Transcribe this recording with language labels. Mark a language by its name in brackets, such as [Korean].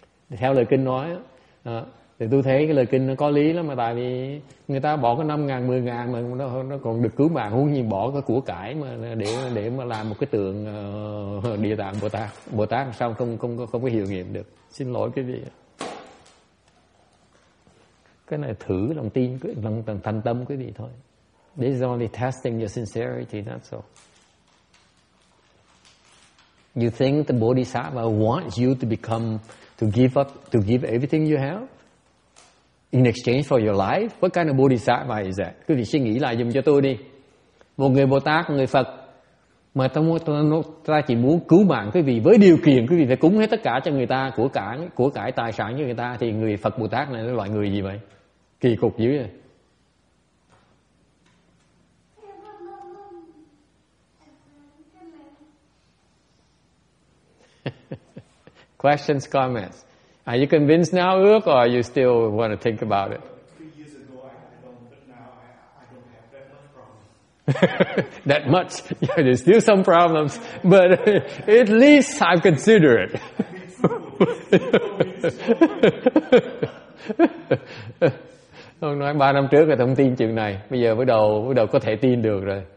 [Vietnamese] Theo lời kinh nói, thì tôi thấy cái lời kinh nó có lý lắm, mà tại vì người ta bỏ có 5.000, 10.000 mà nó còn được cứu mạng, huống gì bỏ cái của cải mà để mà làm một cái tượng Địa Tạng Bồ Tát sao không có hiệu nghiệm được. Xin lỗi quý vị. Cái này thử lòng tin, lòng thành tâm quý vị thôi. [English] This is only testing your sincerity, that's all. You think the Bodhisattva wants you to become, to give up, to give everything you have in exchange for your life? What kind of Bodhisattva is that? Quý vị suy nghĩ lại giùm cho tôi đi. Một người Bồ Tát, người Phật, mà ta chỉ muốn cứu mạng quý vị với điều kiện quý vị phải cúng hết tất cả cho người ta, của cải tài sản cho người ta, thì người Phật Bồ Tát này là loại người gì vậy? Kỳ cục dữ vậy. Questions, comments. Are you convinced now, Ước, or you still want to think about it? 3 years ago, I had them, but now I don't have that much problems. That much? Yeah, there's still some problems, but at least I'm considerate. [Vietnamese] Ông nói 3 năm trước là thông tin chuyện này, bây giờ bắt đầu có thể tin được rồi.